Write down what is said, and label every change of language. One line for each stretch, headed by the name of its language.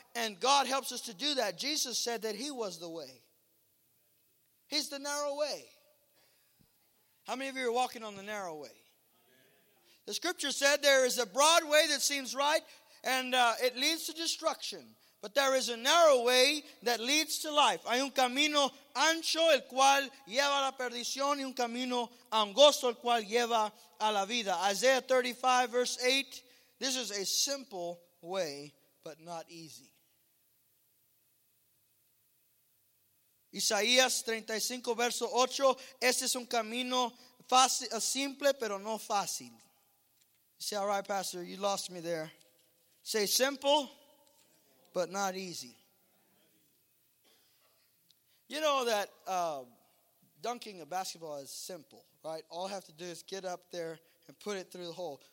English: And God helps us to do that. Jesus said that he was the way. He's the narrow way. How many of you are walking on the narrow way? The scripture said there is a broad way that seems right and it leads to destruction. But there is a narrow way that leads to life.
Spanish: Hay un camino ancho el cual lleva a la perdición y un camino angosto el cual lleva a la vida.
English: Isaiah 35 verse 8. This is a simple way, but not easy.
Spanish: Isaías 35 verso 8. Este es un camino fácil, simple, pero no fácil.
English: You say, all right, pastor, you lost me there. Say, simple, but not easy. You know that dunking a basketball is simple, right? All I have to do is get up there and put it through the hole.